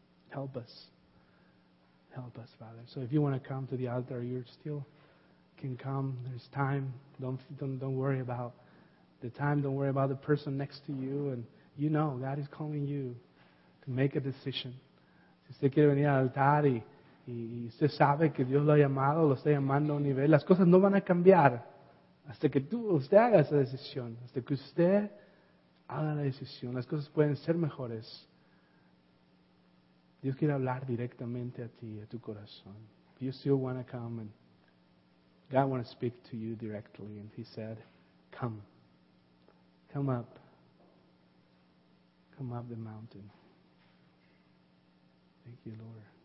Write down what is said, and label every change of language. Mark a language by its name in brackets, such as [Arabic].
[English] Help us. Help us, Father. So if you want to come to the altar, you still can come. There's time. Don't worry about the time. Don't worry about the person next to you. And you know, God is calling you to make a decision. [Spanish] Si usted quiere venir al altar y usted sabe que Dios lo ha llamado, lo está llamando a un nivel, las cosas no van a cambiar. Hasta que usted haga esa decisión, hasta que usted haga la decisión, las cosas pueden ser mejores. Dios quiere hablar directamente a ti, a tu corazón. [English] If you still want to come, and God want to speak to you directly. And he said, come. Come up. Come up the mountain. Thank you, Lord.